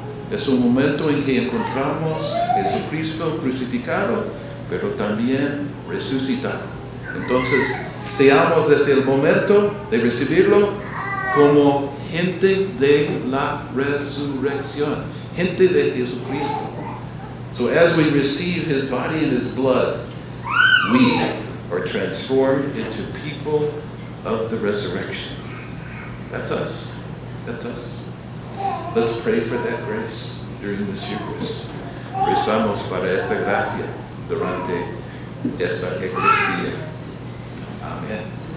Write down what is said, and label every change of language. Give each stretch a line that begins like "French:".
Spanish: Es un momento en que encontramos a Jesucristo crucificado, pero también resucitado. Entonces, seamos desde el momento de recibirlo como gente de la resurrección, gente de Jesucristo.
English: So as we receive his body and his blood, we are transformed into people of the resurrection. That's us. That's us. Let's pray for that grace during this Eucharist.
Spanish: Rezamos para esta gracia durante esta Eucaristía. Amen.